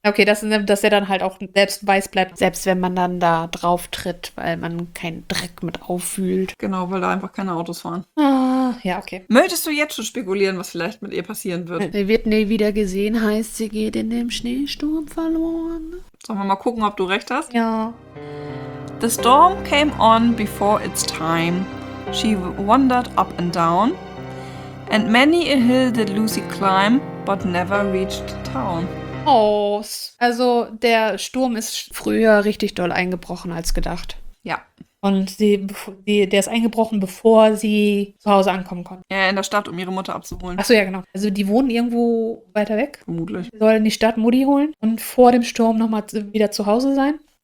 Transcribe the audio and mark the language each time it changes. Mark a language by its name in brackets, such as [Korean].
[German] Okay, dass er dann halt auch selbst weiß bleibt, selbst wenn man dann da drauf tritt, weil man keinen Dreck mit auffühlt. Genau, weil da einfach keine Autos fahren. Ah, ja, okay. Möchtest du jetzt schon spekulieren, was vielleicht mit ihr passieren wird? Sie wird nie wieder gesehen, heißt, sie geht in dem Schneesturm verloren. Sollen wir mal gucken, ob du recht hast? Ja. [English] The storm came on before its time. She wandered up and down. And many a hill did Lucy climb, but never reached town. [German] Oh, also der Sturm ist früher richtig doll eingebrochen als gedacht. Und der ist eingebrochen, bevor sie zu Hause ankommen konnte. Ja, in der Stadt, um ihre Mutter abzuholen. Ach so, ja, genau. Also die wohnen irgendwo weiter weg. Vermutlich. Sie sollen die Stadt Mutti holen und vor dem Sturm nochmal wieder zu Hause sein.